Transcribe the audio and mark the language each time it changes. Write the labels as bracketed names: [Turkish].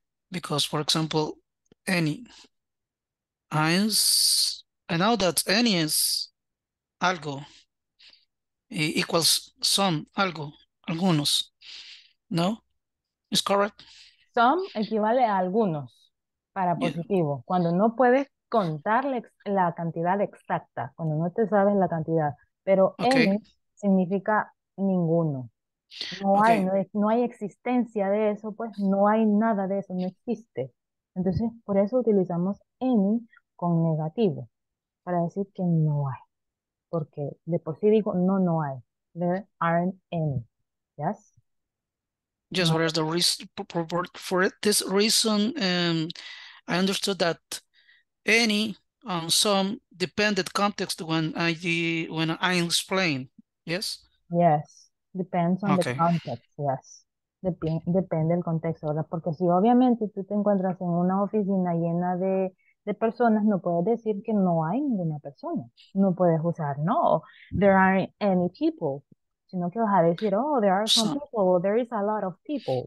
[English] Because, for example, any. I know that any is [Spanish] algo, [English] equals some, [Spanish] algo, algunos, no? [English] Is correct? [Spanish] Some equivale a algunos, para positivo, [English] yeah. [Spanish] Cuando no puedes contar la cantidad exacta, cuando no te sabes la cantidad, pero [English] okay. [Spanish] Any significa ninguno. No [English] okay. [Spanish] Hay, no hay existencia de eso, pues no hay nada de eso, no existe. Entonces, por eso utilizamos any con negativo, para decir que no hay. Porque de por sí digo, no, no hay. [English] There aren't any. Yes? Just what is the reason for this reason? I understood that any and some dependent context when I explain. Yes? Yes. Depends on okay. the context, yes. [Spanish] Depende del contexto, ¿verdad? Porque si obviamente tú te encuentras en una oficina llena de personas, no puedes decir que no hay ninguna persona. No puedes usar, no, [English] there aren't any people. [Spanish] Sino que vas a decir, [English] oh, there are some people, or there is a lot of people.